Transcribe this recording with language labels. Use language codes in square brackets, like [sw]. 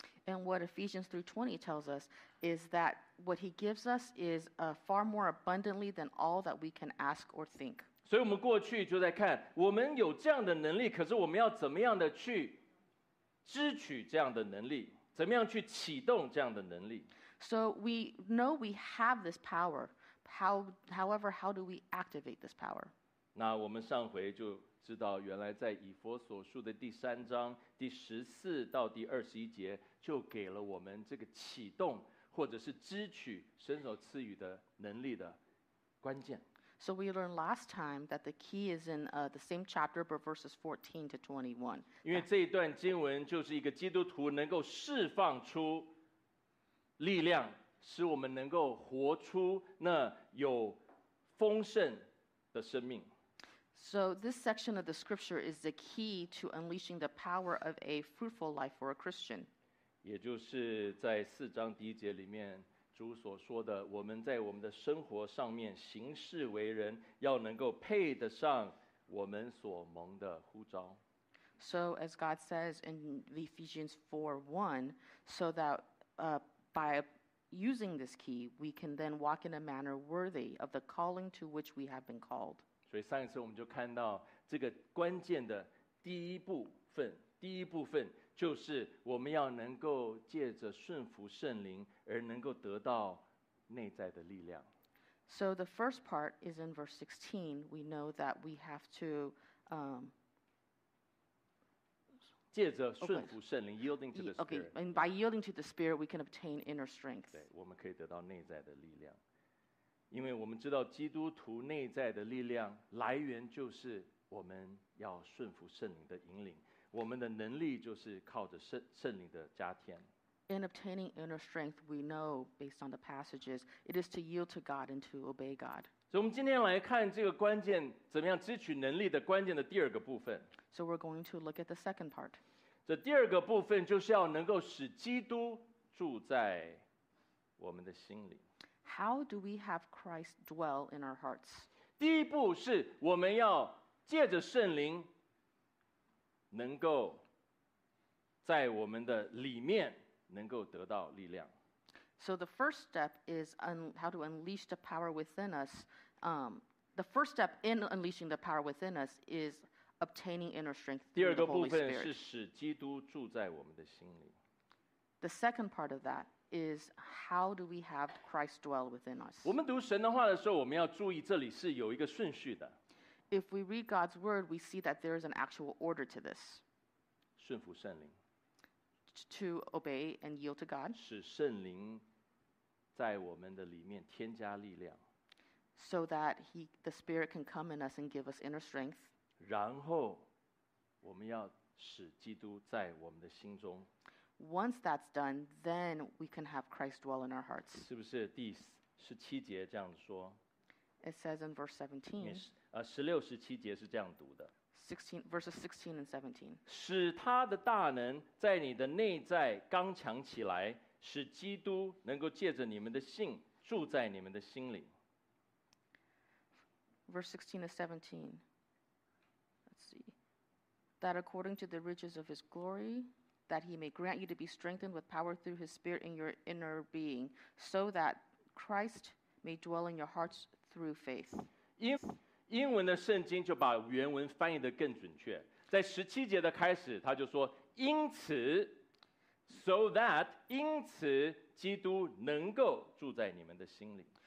[en] And what Ephesians 3:20 tells us is that what He gives us is far more abundantly than all that we can ask or think. [zh] 所以我们过去就在看，我们有这样的能力，可是我们要怎么样的去支取这样的能力，怎么样去启动这样的能力。 [en] So we know we have this power. However, how do we activate this power? [zh] 那我们上回就知道，原来在以弗所书的第三章第十四到第二十一节，就给了我们这个启动或者是支取神所赐予的能力的关键。 [en] So we learned last time that the key is in the same chapter, but verses 14 to 21. [zh] 因为这一段经文就是一个基督徒能够释放出力量，使我们能够活出那有丰盛的生命。 [en] So this section of the scripture is the key to unleashing the power of a fruitful life for a Christian. [zh] 也就是在四章第一节里面，主所说的，我们在我们的生活上面行事为人，要能够配得上我们所蒙的呼召。 [en] So as God says in Ephesians 4:1, so that by using this key, we can then walk in a manner worthy of the calling to which we have been called. [zh] 所以上一次我们就看到这个关键的第一部分，第一部分就是我们要能够借着顺服圣灵而能够得到内在的力量。 [en] So the first part is in verse 16. We know that we have to [zh] 借着顺服圣灵 [en] yielding to the Spirit. Okay, and by yielding to the Spirit, we can obtain inner strength. [zh] 对，我们可以得到内在的力量，因为我们知道基督徒内在的力量来源就是我们要顺服圣灵的引领，我们的能力就是靠着 圣灵的加添。 [en] In obtaining inner strength, we know based on the passages, it is to yield to God and to obey God. [zh] 所以我们今天来看这个关键，怎么样支取能力的关键的第二个部分。 [en] So we're going to look at the second part. [zh] 这第二个部分就是要能够使基督住在我们的心里。 [en] How do we have Christ dwell in our hearts? [zh] 第一步是我们要借着圣灵能够在我们的里面能够得到力量。 [en] So the first step is how to unleash the power within us. The first step in unleashing the power within us is obtaining inner strength through the Holy Spirit. [zh] 第二个部分是使基督住在我们的心里。 [en] The second part of that is how do we have Christ dwell within us? [zh] 我们读神的话的时候，我们要注意这里是有一个顺序的。 [en] If we read God's word, we see that there is an actual order to this. [zh] 顺服圣灵。 [en] To obey and yield to God. [zh] 使圣灵在我们的里面添加力量。 [en] So that the Spirit can come in us and give us inner strength. [zh] 然后我们要使基督在我们的心中。 [en] Once that's done, then we can have Christ dwell in our hearts. [zh] 是不是第十七节这样说？ [en] It says in verse 17. [zh] 16, 17节是这样读的。 [en] Verses 16 and 17. [zh] 使他的大能在你的内在刚强起来，使基督能够借着你们的信住在你们的心里。 [en] Verse 16 and 17. Let's see. That according to the riches of his glory, that he may grant you to be strengthened with power through his Spirit in your inner being, so that Christ may dwell in your hearts through faith. [zh] 英文的圣经就把原文翻译得更准确，在十七节的开始他就说，因此 [en] so that [zh] 因此基督能够住在你们的心里。